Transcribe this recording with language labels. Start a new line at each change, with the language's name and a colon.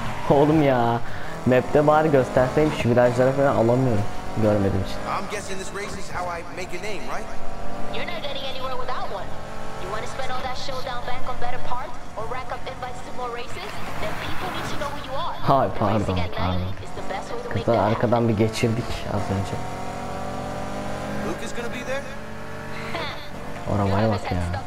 Turkish: Oğlum ya, map'te bari gösterseymiş, virajlara falan alamıyorum. görmediğim için.
English: I'm guessing this race is how I make a name, right? You're not getting anywhere without one. You want to spend all that showdown bank on better parts or rack up invites to more races? Then people need to know who you are.
Turkish: Hay pardon, pardon. Kızı arkadan bir geçirdik az önce.
English: Luke is gonna be there?
Turkish: Arabaya bak ya.